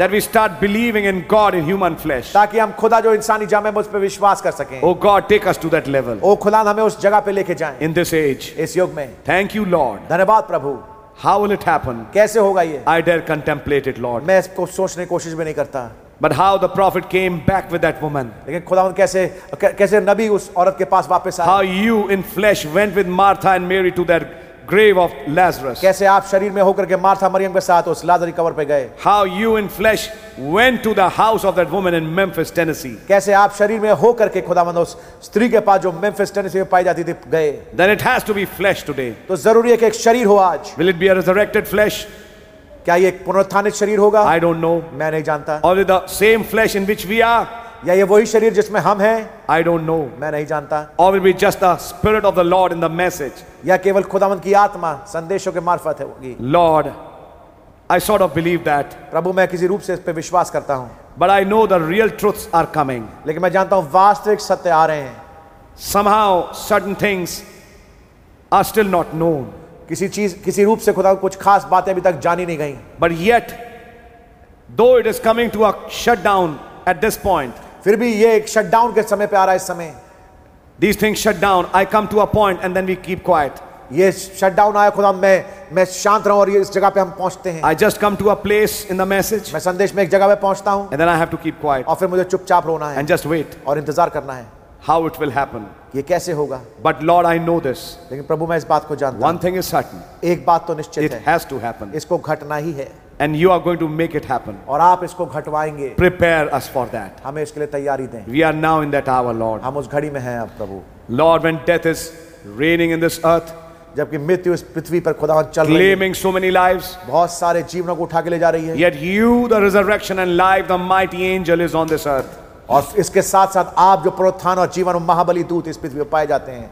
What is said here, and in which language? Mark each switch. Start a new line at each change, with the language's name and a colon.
English: that we start believing in God in human flesh
Hindi: ताकि हम खुदा जो इंसानी जामे में उस पे विश्वास कर सकें
English: O God take us to that level
Hindi: ओ खुदा हमें उस जगह पे लेके जाएं
English: in this age
Hindi: इस युग में
English: thank you Lord,
Hindi: धन्यवाद प्रभु.
English: How will it happen?
Hindi: कैसे होगा ये?
English: I dare contemplate it, Lord.
Hindi: मैं इसको सोचने की कोशिश भी नहीं करता.
English: But how the prophet came back with that woman?
Hindi: लेकिन खुदावंद कैसे नबी उस औरत के पास वापस आया?
English: How you in flesh went with Martha and Mary to that grave of Lazarus.
Hindi: कैसे आप शरीर में होकर के मार्था मरियम के साथ उस लाजरी कब्र पे गए?
English: How you in flesh went to the house of that woman in Memphis, Tennessee.
Hindi: कैसे आप शरीर में होकर के खुदावंद उस स्त्री के पास जो मेम्फिस टेनेसी में पाई जाती थी गए?
English: Then it has to be flesh today.
Hindi: तो जरूरी है कि एक शरीर हो आज.
English: Will it be a resurrected flesh?
Hindi: क्या ये एक पुनरुत्थानित शरीर होगा?
English: I don't know.
Hindi: मैं नहीं जानता.
English: Or the same flesh in which we are?
Hindi: या ये वही शरीर जिसमें हम हैं?
English: I don't know.
Hindi: मैं नहीं जानता.
English: Or will be just the spirit of the Lord in the message.
Hindi: या केवल खुदावंद की आत्मा संदेशों के मार्फत होगी.
English: Lord, I sort of believe that.
Hindi: प्रभु मैं किसी रूप से इस पे विश्वास करता हूँ.
English: But I know the real truths are coming.
Hindi: लेकिन मैं जानता हूँ वास्तविक सत्य आ रहे हैं.
English: Somehow certain things are still not known.
Hindi: किसी चीज किसी रूप से खुदा कुछ खास बातें अभी तक जानी नहीं गई.
English: But yet, though it is coming to a shutdown at this point.
Hindi: फिर भी ये एक शटडाउन के समय पे आ रहा है इस समय.
English: These things shut down. I come to a point and then we keep quiet.
Hindi: ये शटडाउन आया खुदा मैं शांत रहूं और ये इस जगह पे हम पहुंचते हैं.
English: I just come to a place in the message.
Hindi: मैं संदेश में एक जगह पे पहुंचता हूं.
English: And then I have to keep quiet.
Hindi: और फिर मुझे चुपचाप रोना है.
English: And just wait.
Hindi: और इंतजार करना है.
English: How it will happen?
Hindi: ये कैसे होगा?
English: But Lord, I know this.
Hindi: लेकिन प्रभु मैं इस बात को जानता हूं.
English: One thing is certain.
Hindi: एक बात तो निश्चित है.
English: It has to happen.
Hindi: इसको घटना ही है.
English: And you are going to make it happen.
Hindi: और आप इसको घटवाएंगे.
English: Prepare us for that.
Hindi: हमें इसके लिए तैयारी दें.
English: We are now in that hour, Lord.
Hindi: हम उस घड़ी में हैं अब प्रभु.
English: Lord, when death is reigning in this earth.
Hindi: जबकि मृत्यु इस पृथ्वी पर खुदावंद चल रही है.
English: Claiming so many lives.
Hindi: बहुत सारे जीवनों को उठा के ले जा रही है.
English: Yet you, the resurrection and life, the mighty angel is on this earth.
Hindi: और इसके साथ साथ आप जो पुनरुत्थान और जीवन और महाबली दूत इस पृथ्वी पर पाए जाते हैं.